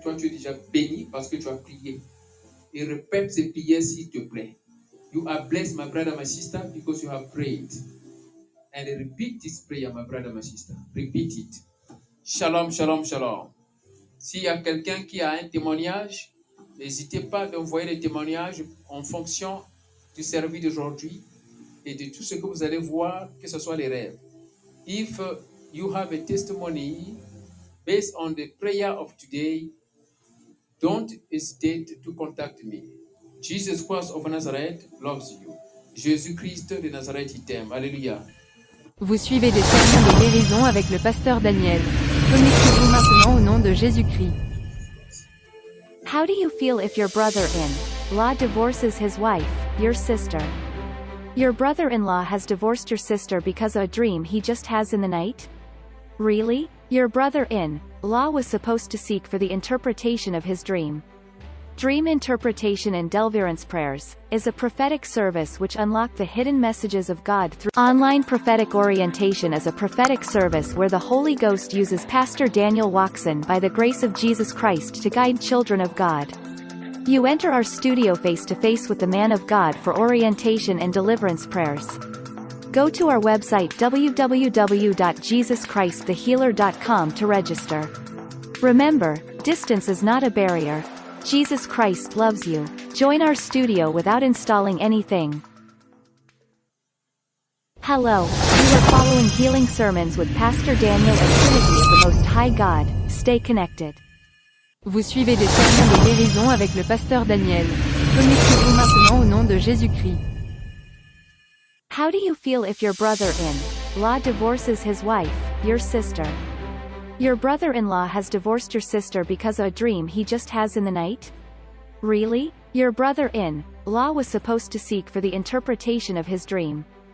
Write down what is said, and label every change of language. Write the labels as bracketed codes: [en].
[fr] Toi, tu es déjà béni parce que tu as prié. Et répète ces prières, s'il te plaît. [en] You are blessed, my brother, my sister, because you have prayed. And repeat this prayer, my brother, my sister. Repeat it. Shalom, shalom, shalom. [fr] S'il y a quelqu'un qui a un témoignage, n'hésitez pas à envoyer le témoignage en fonction du service d'aujourd'hui et de tout ce que vous allez voir, que ce soit les rêves. [en] If you have a testimony based on the prayer of today, don't hesitate to contact me. Jesus Christ of Nazareth loves you. [fr] Jésus-Christ de Nazareth, il t'aime. [en] Alléluia. [fr] Vous suivez des sermons de guérison avec le pasteur Daniel. Connectez-vous maintenant au nom de Jésus-Christ. [en] How do you feel if your brother-in-law divorces his wife, your sister? Your brother-in-law has divorced your sister because of a dream he just has in the night? Really? Your brother-in-law was supposed to seek for the interpretation of his dream. Dream Interpretation and Deliverance Prayers is a prophetic service which unlocks the hidden messages of God through online prophetic orientation. Is a prophetic service where the Holy Ghost uses Pastor Daniel Waxon by the grace of Jesus Christ to guide children of God. You enter our studio face to face with the man of God for orientation and deliverance prayers. Go to our website www.jesuschristthehealer.com to register. Remember, distance is not a barrier. Jesus Christ loves you. Join our studio without installing anything. Hello, you are following Healing Sermons with Pastor Daniel and Trinity of the Most High God. Stay connected. [fr] Vous suivez des sermons de guérison avec le Pasteur Daniel. Connectez-vous maintenant au nom de Jésus-Christ. [en] How do you feel if your brother-in-law divorces his wife, your sister? Your brother-in-law has divorced your sister because of a dream he just has in the night? Really? Your brother-in-law was supposed to seek for the interpretation of his dream.